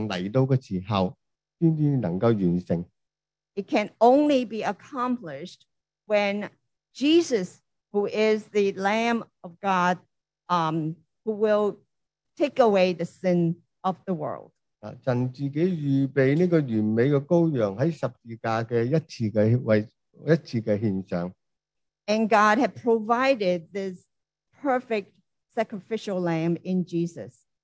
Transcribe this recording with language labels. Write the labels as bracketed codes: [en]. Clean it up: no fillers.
[zh] 一定要等到耶稣基督这个除去世人罪孽的羔羊来到的时候才能够完成。 [en] It can only be accomplished when Jesus, who is the Lamb of God, who will take away the sin of the world. [zh] 神自己预备这个完美的羔羊在十字架的一次的献上。 [en] And God had provided this perfect sacrificial lamb in Jesus.